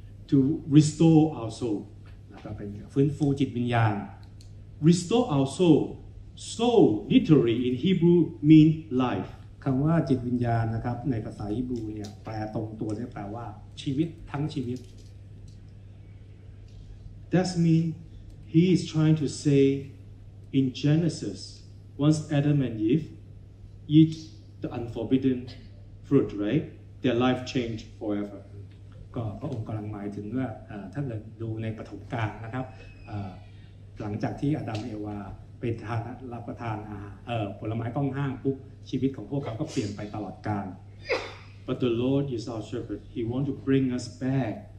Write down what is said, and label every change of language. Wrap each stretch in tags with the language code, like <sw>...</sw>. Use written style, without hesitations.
<en>To restore our soul.</en> <th>นะครับเป็นฟื้นฟูจิตวิญญาณ</th> <en>Restore our soul. Soul literally in Hebrew mean life.</en> <th>คำว่าจิตวิญญาณนะครับในภาษาฮีบรูเนี่ยแปลตรงตัวเนี่ยแปลว่าชีวิตทั้งชีวิต</th> <en>That's meanHe is trying to say in Genesis, once Adam and Eve eat the unforbidden fruit, right? Their life changed forever.</en> <th>ก็พระองค์กำลังหมายถึงว่าถ้าเกิดดูในปฐมกาลนะครับหลังจากที่อดัมเอวาไปทานรับประทานผลไม้ต้องห้ามปุ๊บชีวิตของพวกเขาก็เปลี่ยนไปตลอดกาล</th> <en>But the Lord is our shepherd. He wants to bring us back.</en>